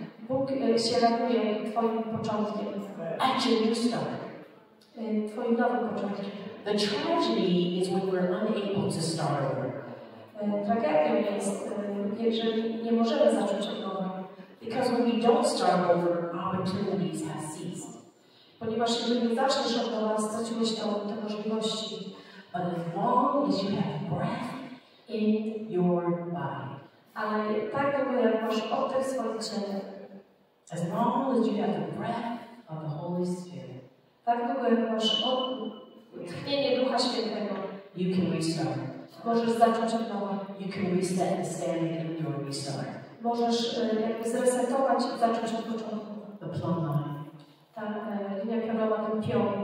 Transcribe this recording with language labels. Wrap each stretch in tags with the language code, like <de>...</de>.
<pl>Bóg się raduje twoim początkiem.</pl> <en>At your new start.</en> <pl>Twoim nowym początkiem.</pl> <en>The tragedy is when we're unable to start over.</en> <pl>Tragedią jest, jeżeli nie możemy zacząć od nowa.</pl> <en>Because when we don't start over, opportunities have ceased.</en> <pl>Ponieważ jeżeli nie zaczniesz od nowa, straciłeś te możliwości.</pl> <en>But as long as you have breath in your body.</en> <pl>Ale tak długo jak masz oddech w swoim ciele.</pl> <en>As long as you have the breath of the Holy Spirit.</en> <pl>Tak długo jak masz tchnienie Ducha Świętego.</pl> <en>You can restart. You can reset the standing and do a restart.</en> <pl>Możesz zresetować i zacząć od początku.</pl> <en>The plumb line.</en> <pl>Ta linia prawa, ten pion.</pl>